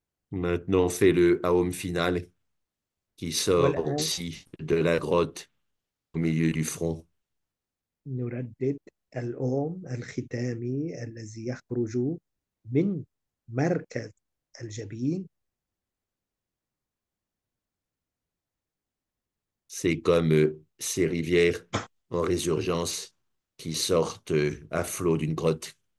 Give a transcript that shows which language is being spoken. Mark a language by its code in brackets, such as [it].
[fr] Maintenant, c'est le Aum final qui sort [ar] والآن [fr] aussi de la grotte au milieu du front. [ar] نردد الأوم الختامي الذي يخرج من مركز الجبين. [fr] C'est comme ces rivières en résurgence qui sortent à flot d'une grotte.